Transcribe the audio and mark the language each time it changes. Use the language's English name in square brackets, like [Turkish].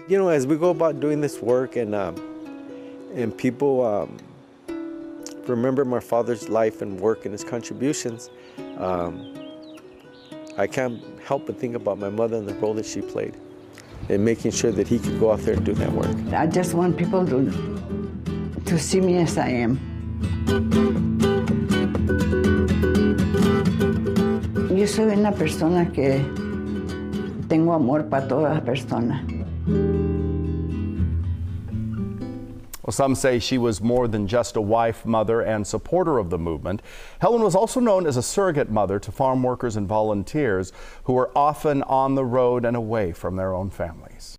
[English] You know, as we go about doing this work and people remember my father's life and work and his contributions, I can't help but think about my mother and the role that she played in making sure that he could go out there and do that work. I just want people to see me as I am. [Spanish] Yo soy una persona que tengo amor para todas las personas. [English] Well, some say she was more than just a wife, mother, and supporter of the movement. Helen was also known as a surrogate mother to farm workers and volunteers who were often on the road and away from their own families.